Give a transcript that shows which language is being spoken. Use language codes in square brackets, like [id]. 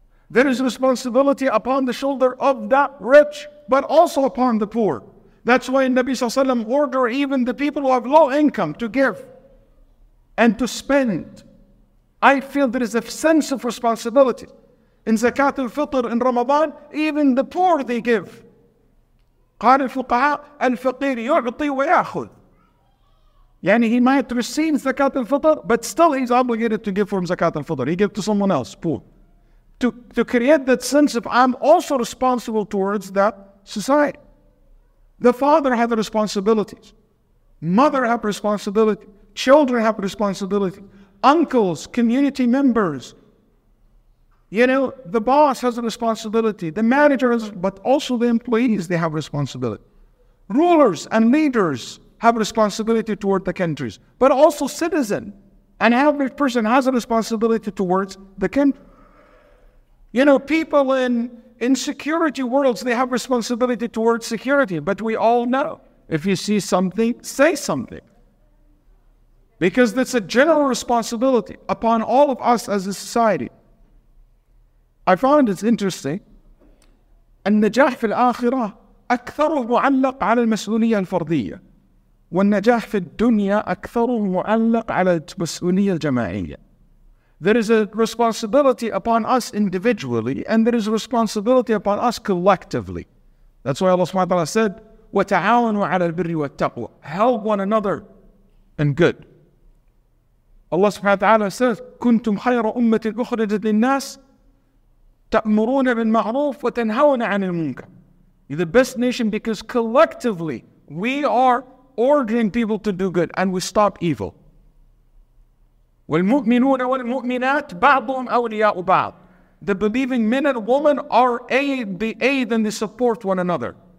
[en] There is a responsibility upon the shoulder of the rich, but also upon the poor. That's why Nabi Sallallahu Alaihi Wasallam ordered even the people who have low income to give and to spend. I feel there is a sense of responsibility. In Zakat al-Fitr, in Ramadan, even the poor they give. [ar] قال الفقهاء الفقير يعطي ويأخذ. يعني [en] he might receive Zakat al-Fitr, but still he's obligated to give from Zakat al-Fitr. He give to someone else, poor. To create that sense of I'm also responsible towards that society. The father has responsibilities. Mother have responsibility. Children have responsibility. Uncles, community members. You know, the boss has a responsibility. The manager has, but also the employees, they have responsibility. Rulers and leaders have responsibility toward the countries. But also citizen and average person has a responsibility towards the country. You know, people in security worlds, they have responsibility towards security. But we all know, if you see something, say something. Because that's a general responsibility upon all of us as a society. I find it interesting. [ar] النجاح في الآخرة أكثره معلق على المسؤولية الفردية والنجاح في الدنيا أكثره معلق على المسؤولية الجماعية. [en] There is a responsibility upon us individually, and there is a responsibility upon us collectively. That's why Allah subhanahu wa ta'ala said, [ar] وَتَعَاونُوا عَلَى الْبِرِّ وَالتَّقْوَى. [en] Help one another in good. [ar] Allah subhanahu wa ta'ala says, كُنْتُمْ خَيْرَ أُمَّةٍ أُخْرِجَتْ لِلنَّاسِ تَأْمُرُونَ بِالْمَعْرُوفِ وَتَنْهَوْنَ عَنِ الْمُنْكَرِ. [en] You're the best nation because collectively we are ordering people to do good and we stop evil. [ar] وَالْمُؤْمِنُونَ وَالْمُؤْمِنَاتِ بَعْضُهُمْ أَوْلِيَاءُ بَعْضٍ. [en] The believing men and women are the aid and they support one another.